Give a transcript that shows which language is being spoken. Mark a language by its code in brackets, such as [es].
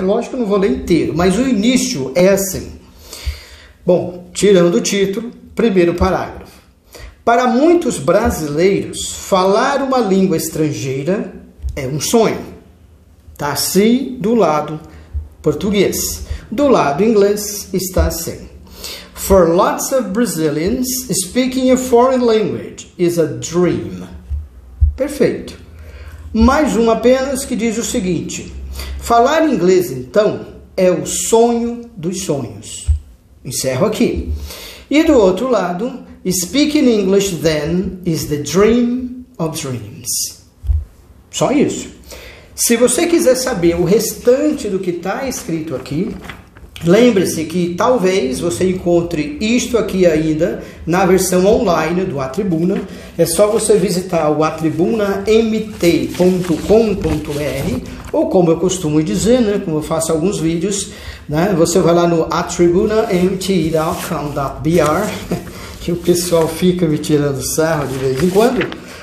[pt] Lógico que eu não vou ler inteiro, mas o início é assim. Bom, tirando o título, primeiro parágrafo. Para muitos brasileiros, falar uma língua estrangeira é um sonho. Está assim do lado português. Do lado inglês está assim. [en] For lots of Brazilians, speaking a foreign language is a dream. [pt] Perfeito. Mais um apenas que diz o seguinte. Falar inglês, então, é o sonho dos sonhos. Encerro aqui. E do outro lado, [en] speaking English then is the dream of dreams. [pt] Só isso. Se você quiser saber o restante do que está escrito aqui, lembre-se que talvez você encontre isto aqui ainda na versão online do A Tribuna. É só você visitar o atribunamt.com.br ou como eu costumo dizer, né, como eu faço alguns vídeos, né, você vai lá no atribunamt.com.br, que o pessoal fica me tirando sarro de vez em quando.